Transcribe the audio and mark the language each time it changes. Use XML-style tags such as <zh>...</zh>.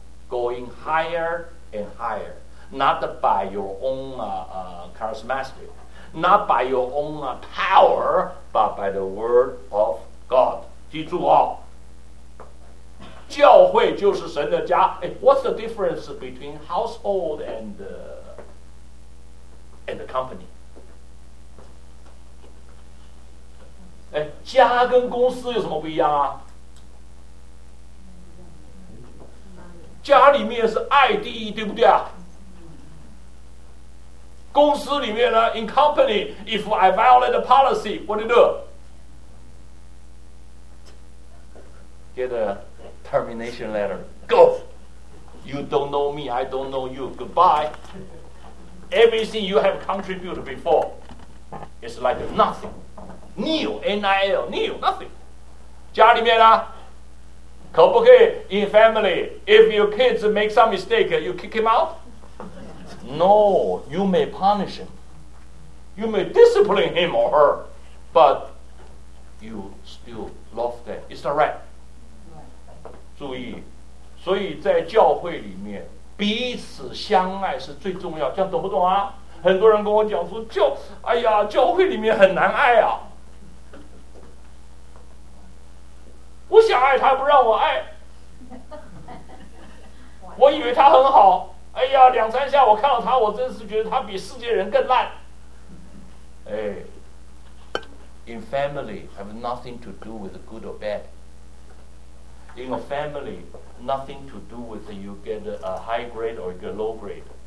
<en>Going higher and higher. Not by your own charismatic, not by your own power, but by the word of God.</en> <zh>记住哦。教会就是神的家。</zh> <en>What's the difference between household and the company?</en> <zh>家跟公司有什么不一样啊？家里面是爱第一，对不对啊？公司里面呢</zh> <en>，in company, if I violate the policy, what do you do? Get a termination letter. Go. You don't know me. I don't know you. Goodbye. Everything you have contributed before is like nothing. Nil. N-I-L. Nil. Nothing.</en> <zh>家里面呢、啊、可不可以</zh> <en>in family, if your kids make some mistake, you kick him out? No. You may punish him. You may discipline him or her, but you still love them. Is that right?</en> <zh>注意，所以在教会里面彼此相爱是最重要，这样懂不懂啊？很多人跟我讲说教，哎呀，教会里面很难爱啊，我想爱他不让我爱，我以为他很好，哎呀，两三下我看到他，我真是觉得他比世界人更烂。</zh> <en>哎， in family have nothing to do with good or badIn a family, nothing to do with you get a high grade or you get a low grade.</en>